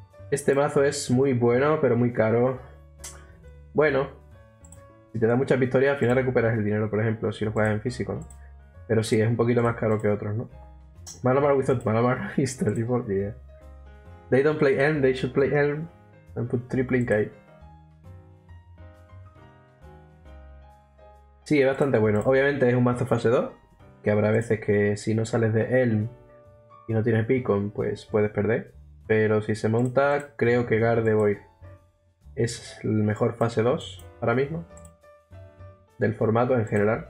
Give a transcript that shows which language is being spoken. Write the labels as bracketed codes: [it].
[es] Este mazo es muy bueno, pero muy caro. Bueno. Si te da muchas victorias, al final recuperas el dinero, por ejemplo, si lo juegas en físico, ¿no? Pero sí, es un poquito más caro que otros, ¿no? [en] Malamar without Malamar is terrible, yeah. They don't play Elm, they should play Elm and put tripling Kai. [es] Sí, es bastante bueno. Obviamente es un mazo fase 2, que habrá veces que si no sales de Elm y no tienes Beacon, pues puedes perder. Pero si se monta, creo que Guard debo ir. Es el mejor fase 2 ahora mismo. Del formato en general.